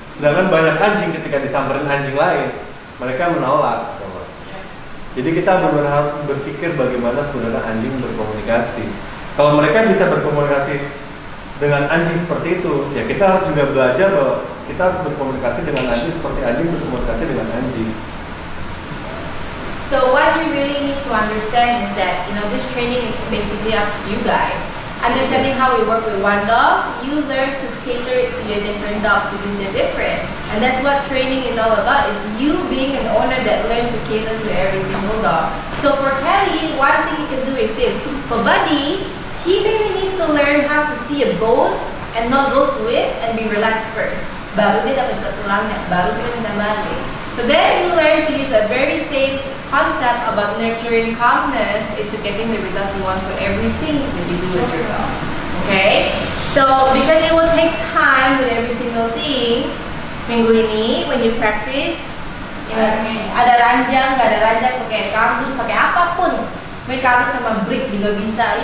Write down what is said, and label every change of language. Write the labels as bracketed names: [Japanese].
[Indonesian] Sedangkan banyak anjing ketika disamperin anjing lain, mereka menolak. Jadi kita benar-benar harus berpikir bagaimana sebenarnya anjing berkomunikasi. Kalau mereka bisa berkomunikasi dengan anjing seperti itu, ya kita harus juga belajar bahwa kita harus berkomunikasi dengan anjing seperti anjing berkomunikasi dengan anjing. [English] So what you really need to understand is that, you know, this training is basically up to you guys. Understanding how we work with one dog, you learn to cater it to your different dogs because they're different. And that's what training is all about, is you being an owner that learns to cater to every single dog. So for Kelly, one thing you can do is this. For Buddy, he maybe needs to learn how to see a bone and not go through it and be relaxed first. [Indonesian] Baru dia dapat tulangnya, baru dia minta balik. [English] So then you learn to use a very safe concept about nurturing calmness into getting the results you want for everything that you do with your dog. Okay? So because it will take time with every single thing, [Indonesian] minggu ini [English] when you practice, [Indonesian] ada ranjang, gak ada ranjang, pakai kardus, pakai apapun, pakai kardus sama brick juga bisa.